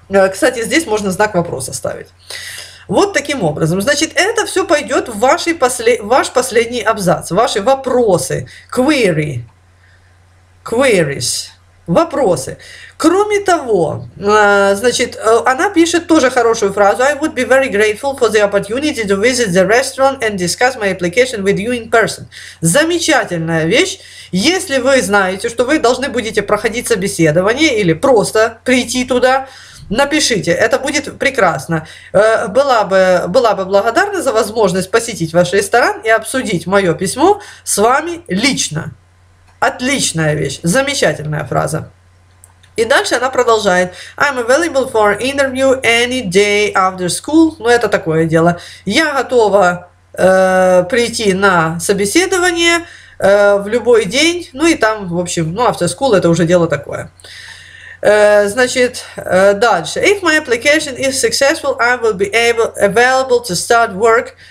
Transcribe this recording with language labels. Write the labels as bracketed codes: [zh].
[ru] Кстати, здесь можно знак вопроса ставить. Вот таким образом. Значит, это все пойдет в ваш последний абзац, ваши вопросы, queries. Вопросы. Кроме того, значит, она пишет тоже хорошую фразу. [en] I would be very grateful for the opportunity to visit the restaurant and discuss my application with you in person. [ru] Замечательная вещь. Если вы знаете, что вы должны будете проходить собеседование или просто прийти туда, напишите, это будет прекрасно. Была бы благодарна за возможность посетить ваш ресторан и обсудить мое письмо с вами лично. Отличная вещь, замечательная фраза. И дальше она продолжает. [en] I'm available for an interview any day after school. [ru] Ну, это такое дело. Я готова прийти на собеседование в любой день. Ну, и там, в общем, ну, [en] after school [ru] – это уже дело такое. Значит, дальше. [en] If my application is successful, I will be available to start work.